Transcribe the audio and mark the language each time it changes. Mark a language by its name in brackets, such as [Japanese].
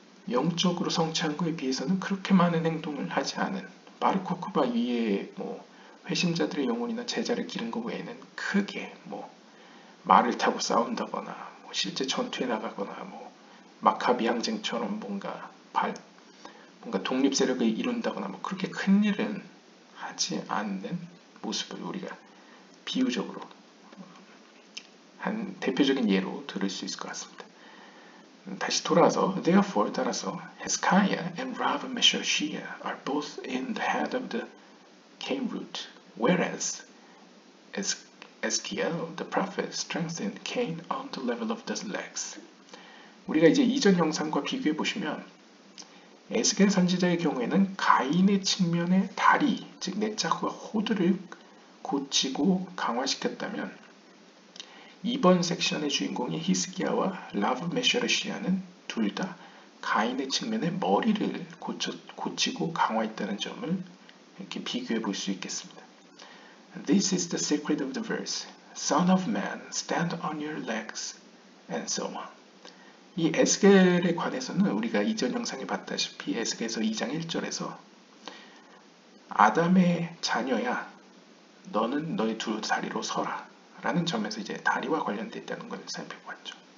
[Korean] 영적으로 성취한 것에 비해서는 그렇게 많은 행동을 하지 않은 마르코 쿠바 이외에 뭐 회심자들의 영혼이나 제자를 기른 것 외에는 크게 뭐 말을 타고 싸운다거나 뭐 실제 전투에 나가거나 뭐 마카비 항쟁처럼 뭔가 독립 세력을 이룬다거나 뭐 그렇게 큰 일은 하지 않는 모습을 우리가 비유적으로 한 대표적인 예로 들을 수 있을 것 같습니다. 다시 돌아서 [English] therefore [Korean] 따라서 [English] Hezekiah and Rav Meshachiah are both in the head of the cane root, whereas Ezekiel the prophet strengthened cane on the level of the legs. [Korean] 우리가 이제 이전 영상과 비교해 보시면 에스겔 선지자의 경우에는 가인의 측면의 다리, 즉 넷자크와 호두를 고치고 강화시켰다면 이번 섹션의 주인공인 히스기야와 라브 메셔르시아는 둘 다 가인의 측면의 머리를 고치고 강화했다는 점을 이렇게 비교해 볼 수 있겠습니다. [English] This is the secret of the verse. Son of man, stand on your legs, and so on. [Korean] 이 에스겔에 관해서는 우리가 이전 영상에 봤다시피 에스겔서 2장 1절에서 아담의 자녀야 너는 너의 두 다리로 서라 라는 점에서 이제 다리와 관련됐다는 걸 살펴봤죠.